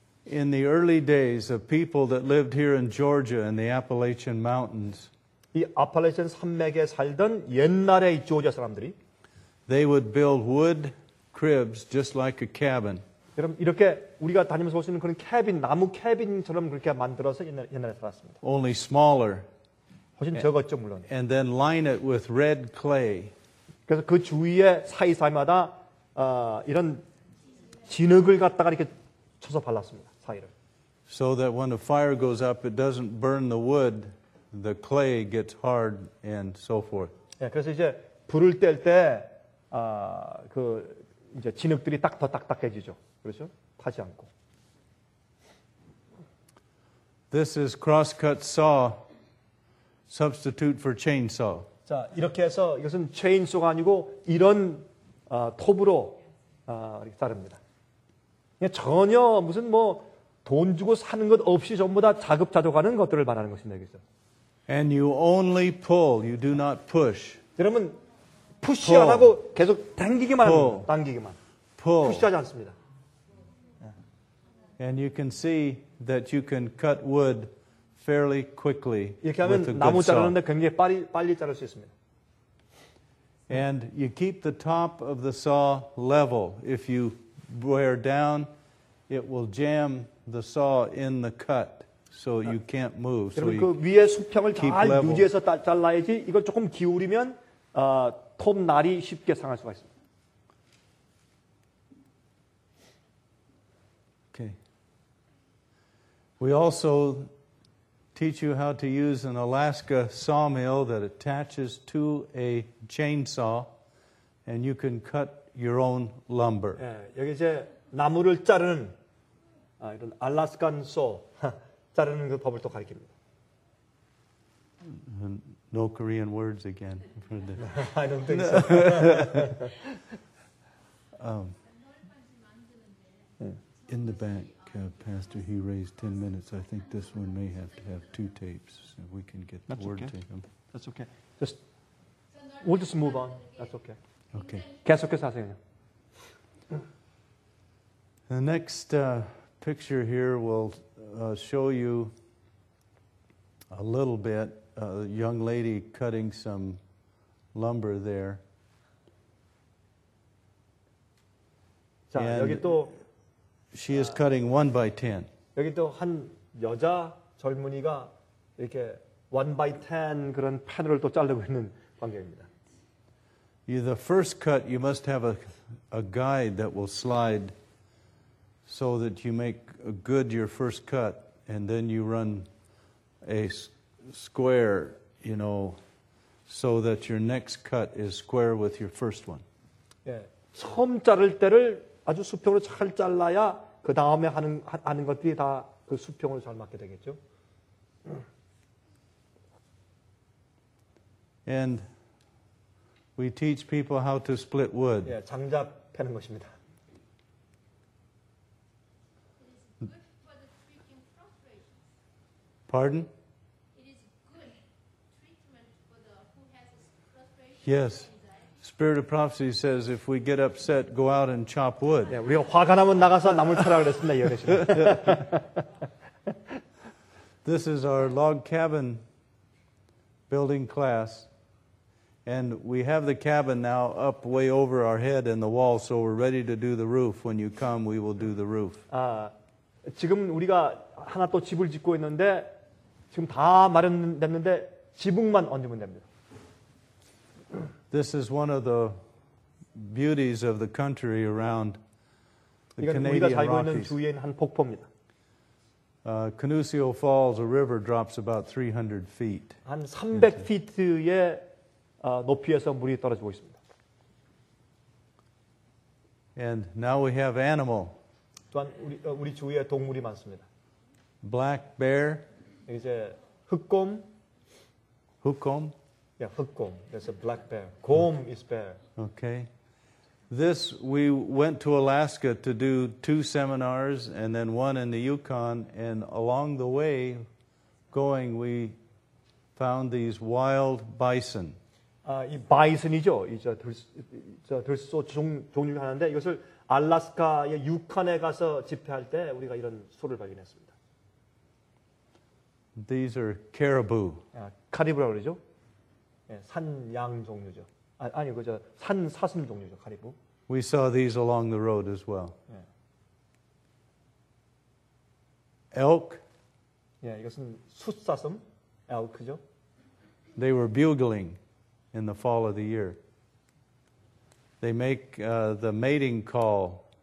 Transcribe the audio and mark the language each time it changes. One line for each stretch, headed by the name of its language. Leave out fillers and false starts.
English: In the early days of people that lived here in Georgia in the Appalachian Mountains,
Korean: 이 아팔라치안 산맥에 살던 옛날의 이 조지아 사람들이
English: they would build wood cribs just like a cabin.
Korean: 여러분 이렇게 우리가 다니면서 볼 수 있는 그런 캐빈 나무 캐빈처럼 그렇게 만들어서 옛날에 살았습니다.
English: Only smaller.
Korean: 훨씬 적었죠 물론.
English: And then line it with red clay.
Korean: 그래서 그 주위에 사이사이마다 이런 진흙을 갖다가 이렇게 쳐서 발랐습니다 사이를.
English: So that when a fire goes up, it doesn't burn the wood, the clay gets hard and so forth.
Korean: 예, 그래서 이제 불을 뗄 때 그 이제 진흙들이 딱 더 딱딱해지죠, 그렇죠? 타지 않고.
English: This is crosscut saw substitute for chainsaw.
Korean: 자, 이렇게 해서 이것은 체인소가 아니고 이런 톱으로 이렇게 자릅니다. 전혀 무슨 뭐 돈 주고 사는 것 없이 전부 다 자급자족하는 것들을 말하는 것입니다. 그렇죠?
English: And you only pull, you do not push.
Korean: 여러분, 푸시 안 하고 계속 당기기만
English: pull.
Korean: 합니다. 당기기만.
English: Pull.
Korean: 푸시하지 않습니다.
English: And you can see that you can cut wood fairly quickly.
Korean: 이렇게 하면 나무 자르는데 굉장히 빨리 자를 수 있습니다.
English: And you keep the top of the saw level. If you wear down, it will jam the saw in the cut, so you can't move.
Korean: 여러분 그 위에 수평을 잘 유지해서 잘라야지. 이걸 조금 기울이면 톱 날이 쉽게 상할 수가 있습니다.
English: Okay. We also teach you how to use an Alaska sawmill that attaches to a chainsaw, and you can cut your own lumber.
Korean: 예, 여기 이제 나무를 자르는 이런 알래스칸 소 자르는 그 법을 또 가르칩니다.
English: No Korean words again. I don't think so. In the back. Pastor, he raised 10 minutes. I think this one may have to have two tapes so we can get That's the word okay. to him. That's okay. Just, we'll just move on. That's okay. Okay.
Korean: 계속해서 하세요.
English: The next picture here will show you a little bit, a young lady cutting some lumber there.
Korean: 자,
English: and
Korean: 여기 또
English: She is cutting 1x10.
Korean: 여기 또 한 여자 젊은이가 이렇게 1x10 그런 판을 또 자르고 있는 관계입니다.
English: The first cut, you must have a guide that will slide so that you make good your first cut and then you run a square, you know, so that your next cut is square with your first one.
Korean: 예, 처음 자를 때를 아주 수평으로 잘 잘라야 그 다음에 하는 것들이 다 그 수평으로 잘 맞게 되겠죠.
English: And we teach people how to split wood.
Korean: 예, 장작 패는 것입니다.
English: Pardon? It is good treatment for the who has frustration. Yes. Spirit of prophecy says if we get upset, go out and chop wood.
Korean: 예, 우리가 화가 나면 나가서 나무를 쳐라 그랬습니다, 이어 계시면.
English: This is our log cabin building class, and we have the cabin now up way over our head in the wall, so we're ready to do the roof. When you come, we will do the roof.
Korean: 지금 우리가 하나 또 집을 짓고 있는데 지금 다 마련됐는데 지붕만 얹으면 됩니다.
English: This is one of the beauties of the country around the Canadian Rockies.
Korean: 우리가 살고 있는 주위의 한 폭포입니다.
English: Canusio Falls, a river drops about 300 feet.
Korean: 한 300 피트의 높이에서 물이 떨어지고 있습니다.
English: And now we have animal.
Korean: 또한 우리 주위에 동물이 많습니다.
English: Black bear.
Korean: 이제 흑곰. 흑곰.
English: Yeah,
Korean: 흑곰.
English: That's a black bear.
Korean: 곰
English: is bear. Okay. This, we went to Alaska to do two seminars and then one in the Yukon. And along the way going, we found these wild bison.
Korean: 이 바이슨이죠. 이제 들소 종류 하나인데 이것을 알래스카의 유칸에 가서 집회할 때 우리가 이런 소를 발견했습니다. These are caribou. 카리브라고 그러죠. 네, 산양 종류죠. 아니 그저 산 사슴 종류죠. 카리브.
English: We saw these along the road as well.
Korean: 네. Elk. 예, 이것은 숫사슴. Elk죠.
English: They were bugling in the fall of the year. They make the mating call.